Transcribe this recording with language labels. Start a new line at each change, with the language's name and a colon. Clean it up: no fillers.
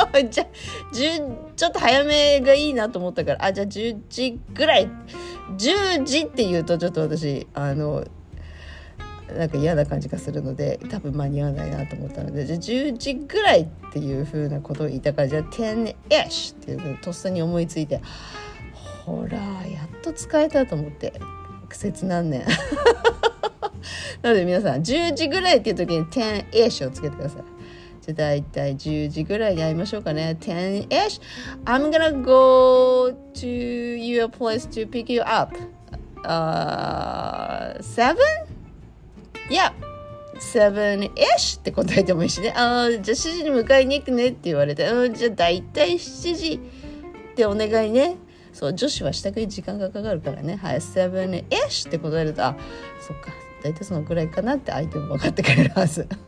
Japanese: じゃあちょっと早めがいいなと思ったから、あ、じゃあ10時ぐらい、10時って言うとちょっと私あのなんか嫌な感じがするので、多分間に合わないなと思ったので、じゃあ10時ぐらいっていう風なことを言ったから、じゃあ 10ish っていうのとっさに思いついて、ほらやっと使えたと思って、苦節なんねん。なので皆さん10時ぐらいっていう時に 10ish をつけてください。じゃあ大体10時ぐらいに会いましょうかね。
English: 10ish I'm gonna go to your place to pick you up 7?
Japanese: いや、7ish って答えてもいいしね。あ、じゃあ7時に迎えに行くねって言われて、じゃあ大体7時ってお願いね。そう、女子は支度に時間がかかるからね。はい、7ish って答えると、あ、そっか、大体そのぐらいかなって相手も分かってくれるはず。